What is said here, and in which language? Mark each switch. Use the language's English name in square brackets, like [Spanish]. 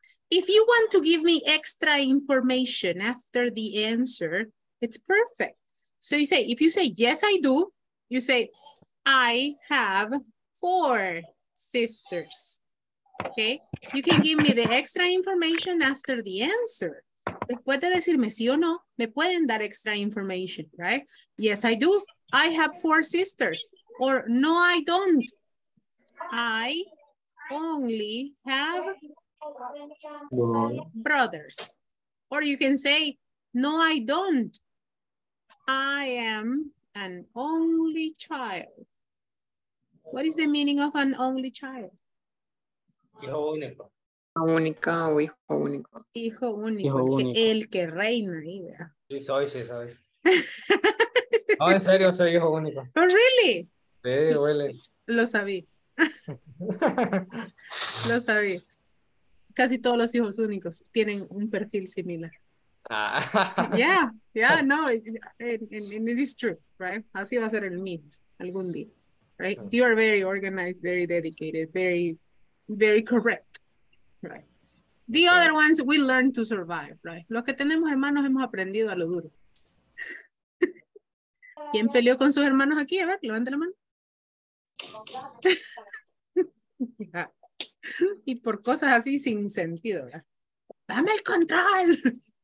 [English] If you want to give me extra information after the answer, it's perfect. So you say, if you say, yes, I do, you say, I have four sisters. Okay, you can give me the extra information after the answer. [Spanish] Después de decirme sí o no, me pueden dar [English] extra information, right? Yes, I do. I have four sisters. Or no, I don't. I only have No. Brothers. Or you can say, no, I don't. I am an only child. What is the meaning of an only child? [Spanish] Hijo único. Única o hijo único. Hijo único. El que reina. Sí, soy, sí, soy. No, en serio, soy hijo único. [English] Oh, really? [Spanish] Sí, huele. Lo sabía. Lo sabía. Casi todos los hijos únicos tienen un perfil similar. [English] And it is true, right? [Spanish] Así va a ser el mío algún día, right? [English] You are very organized, very dedicated, very, very correct, right? The other ones, we learn to survive, right? [Spanish] Los que tenemos hermanos hemos aprendido a lo duro. ¿Quién peleó con sus hermanos aquí? A ver, levante la mano. Y por cosas así sin sentido, ¿verdad? ¡Dame el control!